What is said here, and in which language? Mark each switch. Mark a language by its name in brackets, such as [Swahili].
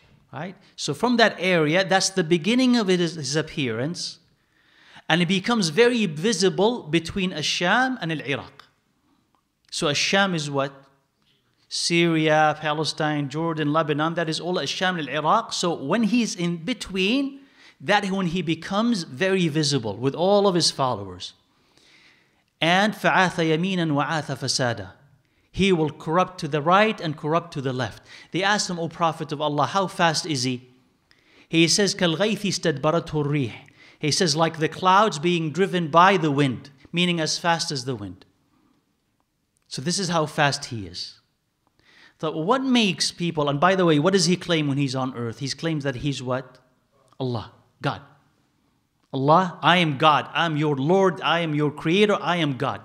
[English] Right, so from that area, that's the beginning of his appearance, and it becomes very visible between Al-Sham and Al-Iraq. So Al-Sham is what? Syria, Palestine, Jordan, Lebanon, that is all Al-Sham al-Iraq. So when he's in between, that when he becomes very visible with all of his followers. [Arabic] And فَعَاثَ يَمِينًا وَعَاثَ فَسَادًا. [English] He will corrupt to the right and corrupt to the left. They asked him, O Prophet of Allah, how fast is he? He says, [Arabic] كَالْغَيْثِ اسْتَدْبَرَتْهُ الرِّيحِ. [English] He says, like the clouds being driven by the wind, meaning as fast as the wind. So this is how fast he is. So what makes people, and by the way, what does he claim when he's on earth? He claims that he's what? Allah, God. Allah, I am God. I am your Lord. I am your creator. I am God.